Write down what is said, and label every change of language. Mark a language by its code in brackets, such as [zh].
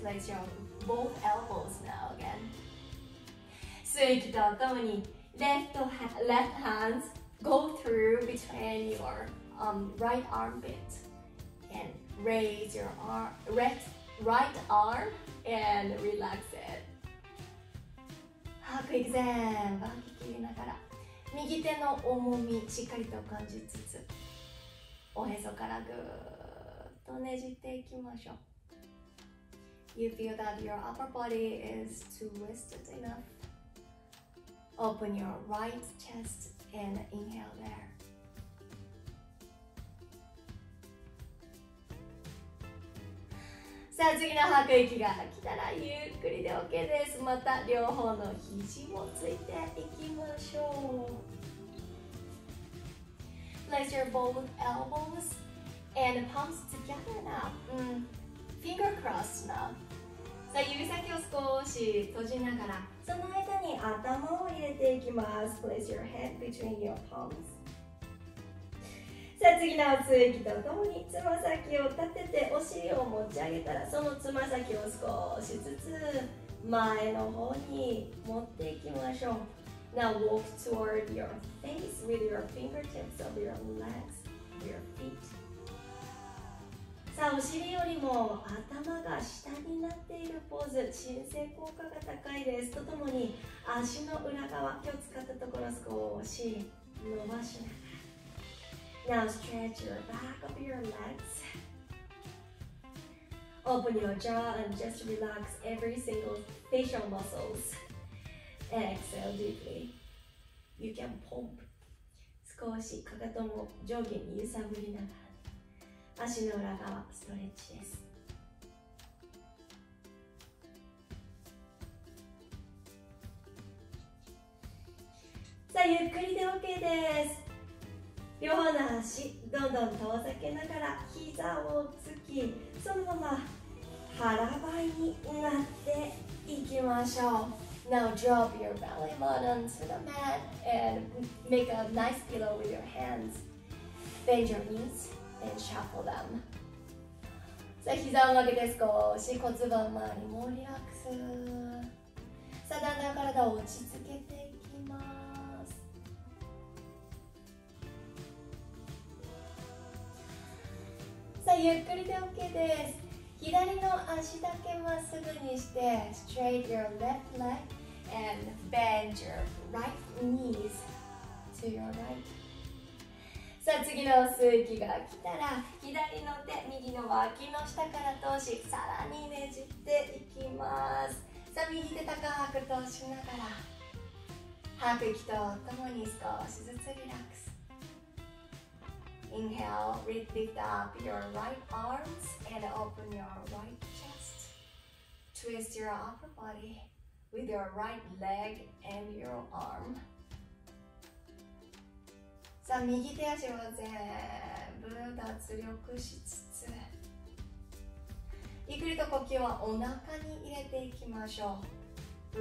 [en] Place your both elbows now again。 [ja] 吸い息とともに [en] left hands go through between your right armpit and raise your right arm and relax it。 [ja] 吐く息全部吐き切りながら右手の重みしっかりと感じつつ、おへそからぐとねじっていきましょう。 [en] You feel that your upper body is twisted enough. Open your right chest and inhale there. [ja] さあ次の吐く息が来たらゆっくりで OK です。また両方の肘もついていきましょう。 [en] Place your both elbowsAnd palms together now. Finger crossed now. [ja] さあ指先を少し閉じながら、その間に頭を入れていきます。 [en] Place your head between your palms. [ja] さあ次のつま先とともにつま先を立てて、お尻を持ち上げたら、そのつま先を少しずつ前の方に持っていきましょう。 [en] Now walk toward your face with your fingertips of your legs, your feet. [ja] さあお尻よりも頭が下になっているポーズ、鎮静効果が高いです。とともに足の裏側、今日使ったところ少し伸ばしながら。 [en] Now stretch your back of your legs. Open your jaw and just relax every single facial muscles. Exhale deeply. You can pump. [ja] 少しかかとも上下に揺さぶりながら、足の裏側ストレッチです。さあゆっくりで OK です。両方の足どんどん遠ざけながら膝をつき、そのまま腹ばいになっていきましょう。 [en] Now drop your belly button to the mat and make a nice pillow with your hands. Bend your knees and shuffle them. [ja] さあ膝を曲げて少し骨盤周りもリラックス。さあだんだん体を落ち着けていきます。ゆっくりで OK です。左の足だけまっすぐにして [en] Straight your left leg and bend your right knees to your right。 [ja] さあ次の吸う息が来たら左の手右の脇の下から通し、さらにねじっていきます。さあ右手高く通しながら吐く息とともに少しずつリラックス。 [en] Inhale, lift up your right arms and open your right chest. Twist your upper body with your right leg and your arm. [ja] さあ右手足を全部脱力しつつ、ゆっくりと呼吸はお腹に入れていきましょう。